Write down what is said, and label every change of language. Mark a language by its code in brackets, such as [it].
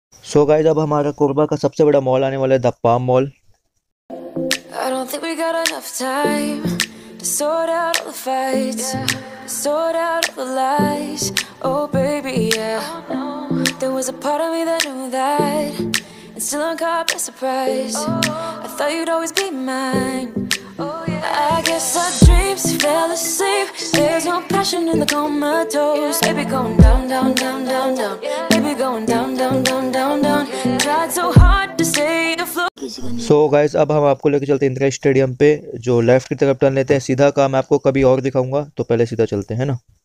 [en] So guys, [hi] अब हमारा कोरबा का सबसे बड़ा मॉल आने वाला है, the palm mall. [en] I don't think we got enough time to sort out all the fights, to sort out all the lies. Oh baby, yeah. There was a part of me that knew that, and still I'm caught by surprise. I thought you'd always be mine. Oh yeah. I guess our dreams fell asleep. There's no passion in the comatose. Baby going down, down, down, down, down. Baby going down, down, down, down, down. Tried so hard to stay afloat. So guys, [hi] अब हम आपको लेकर चलते हैं Indira stadium पे, जो left की तरफ टर्न लेते हैं. सीधा का मैं आपको कभी और दिखाऊंगा, तो पहले सीधा चलते हैं ना.